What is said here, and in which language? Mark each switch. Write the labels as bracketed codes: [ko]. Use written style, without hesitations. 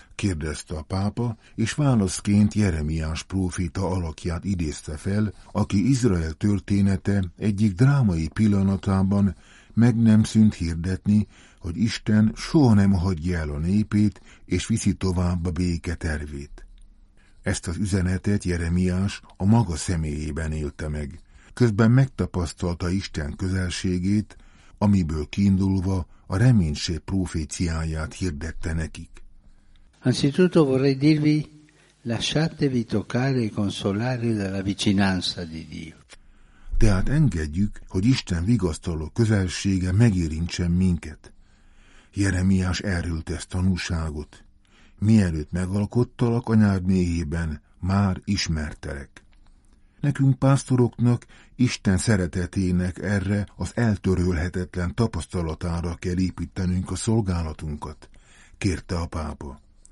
[hu] Kérdezte a pápa, és válaszként Jeremiás próféta alakját idézte fel, aki Izrael története egyik drámai pillanatában meg nem szűnt hirdetni, hogy Isten soha nem hagyja el a népét, és viszi tovább a béke tervét. Ezt az üzenetet Jeremiás a maga személyében élte meg. Közben megtapasztalta Isten közelségét, amiből kiindulva a reménység proféciáját hirdette nekik. [it] Anzitutto vorrei dirvi, lasciatevi toccare e consolare dalla vicinanza di Dio. [hu] Tehát engedjük, hogy Isten vigasztaló közelsége megérintsen minket. Jeremiás erről tesz tanúságot. Mielőtt megalkottalak anyád méhében, már ismertelek. Nekünk pásztoroknak, Isten szeretetének erre az eltörölhetetlen tapasztalatára kell építenünk a szolgálatunkat, kérte a pápa.